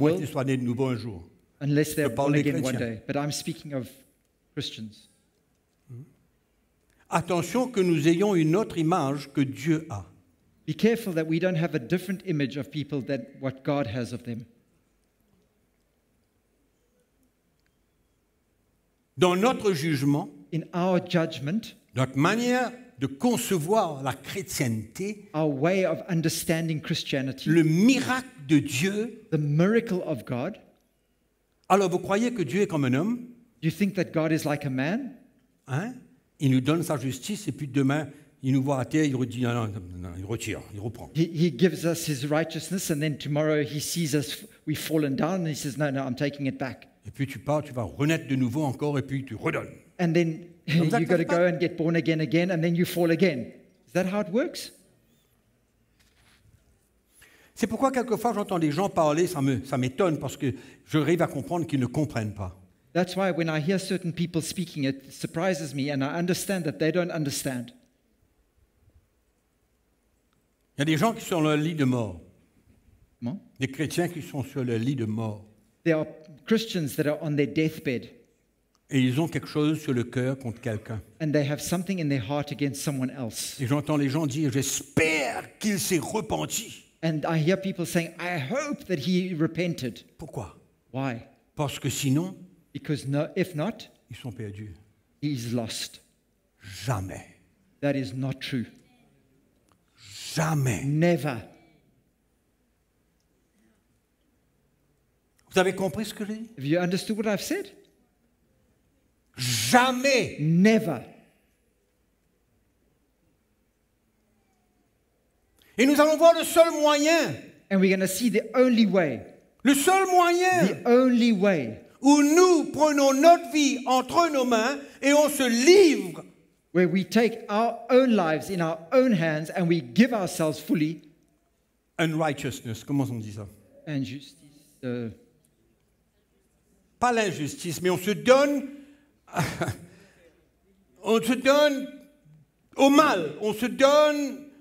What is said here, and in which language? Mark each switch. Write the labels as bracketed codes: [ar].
[fr] world, à moins qu'ils soient nés de nouveau un jour. [en] Unless they're born again [fr] chrétiens. [en] One day. But I'm speaking of Christians. [fr] Attention que nous ayons une autre image que Dieu a. [en] Be careful that we don't have a different image of people than what God has of them. [fr] Dans notre jugement, [en] in our judgment, [fr] notre manière de concevoir la chrétienté, [en] our way of understanding Christianity, [fr] le miracle de Dieu, [en] the miracle of God, [fr] alors vous croyez que Dieu est comme un homme? [en] You think that God is like a man? [fr] Hein? Il nous donne sa justice et puis demain, il nous voit à terre, il redit, non, non, non, non, il retire, il reprend. [en] He gives us his righteousness and then tomorrow he sees us, we've fallen down and he says, no, no, I'm taking it back. [fr] Et puis tu pars, tu vas renaître de nouveau encore, et puis tu redonnes. [en] And then you got to go and get born again, and then you fall again. Is that how it works? [fr] C'est pourquoi quelquefois j'entends des gens parler, ça m'étonne parce que je arrive à comprendre qu'ils ne comprennent pas. [en] That's why when I hear certain people speaking, it surprises me, and I understand that they don't understand. [fr] Il y a des gens qui sont sur leur lit de mort. Comment? Des chrétiens qui sont sur leur lit de mort. [en] There are Christians that are on their deathbed. [fr] Et ils ont quelque chose sur le cœur contre quelqu'un. [en] And they have something in their heart against someone else. [fr] Et j'entends les gens dire, j'espère qu'il s'est repenti. [en] And I hear people saying, I hope that he repented. [fr] Pourquoi? [en] Why? [fr] Parce que sinon, [en] because no, if not, [fr] ils sont perdus. [en] He's lost. [fr] Jamais. [en] That is not true. [fr] Jamais. [en] Never. [fr] Vous avez compris ce que j'ai dit? [en] Have you understood what I've said? [fr] Jamais. [en] Never. [fr] Et nous allons voir le seul moyen. [en] And we're going to see the only way. [fr] Le seul moyen. [en] The only way. [fr] Où nous prenons notre vie entre nos mains et on se livre. [en] Where we take our own lives in our own hands and we give ourselves fully. [fr] Unrighteousness. Comment on dit ça? Injustice. Pas l'injustice, mais on se donne. On se donne au mal. On se donne.